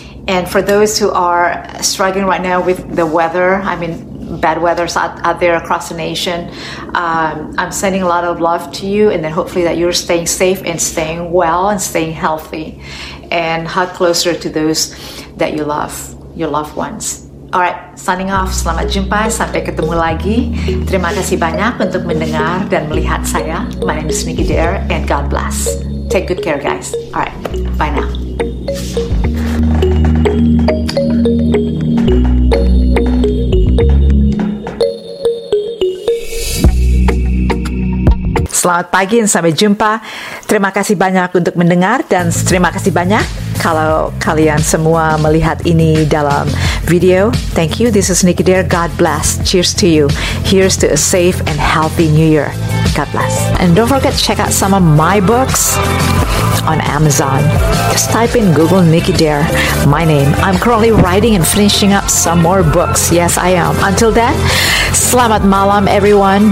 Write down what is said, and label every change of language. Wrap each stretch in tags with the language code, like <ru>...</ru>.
<en>And for those who are struggling right now with the weather, I mean, bad weather out there across the nation, I'm sending a lot of love to you, and then hopefully that you're staying safe and staying well and staying healthy and hug closer to those that you love, your loved ones. All right, signing off.</en> <id>Selamat jumpa. Sampai ketemu lagi. Terima kasih banyak untuk mendengar dan melihat saya.</id> <en>My name is Nikki Dare, and God bless. Take good care, guys. All right, bye now.</en> <id>Selamat pagi dan sampai jumpa. Terima kasih banyak untuk mendengar, dan terima kasih banyak kalau kalian semua melihat ini dalam video.</id> <en>Thank you. This is Nikki Dare. God bless. Cheers to you. Here's to a safe and healthy new year. God bless. And don't forget to check out some of my books on Amazon. Just type in Google Nikki Dare, my name. I'm currently writing and finishing up some more books. Yes, I am. Until then,</en> <id>selamat malam,</id> <en>everyone.</en>